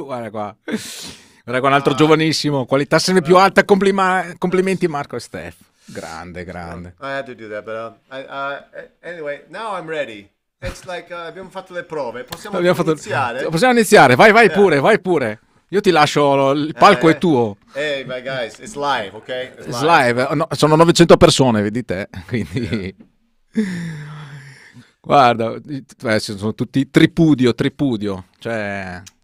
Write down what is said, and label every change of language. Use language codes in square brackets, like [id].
[it] Con un altro giovanissimo, qualità sempre più alta. Complimenti Marco e Steph, grande. [en] I had to do that, but anyway, now I'm ready. It's like, [it] abbiamo fatto le prove, possiamo iniziare, vai yeah. pure, io ti lascio, il palco è tuo. [en] Hey, my guys, it's live, ok? It's live. [it] No, sono 900 persone, vedi te, quindi... Yeah. Guarda, sono tutti tripudio, cioè...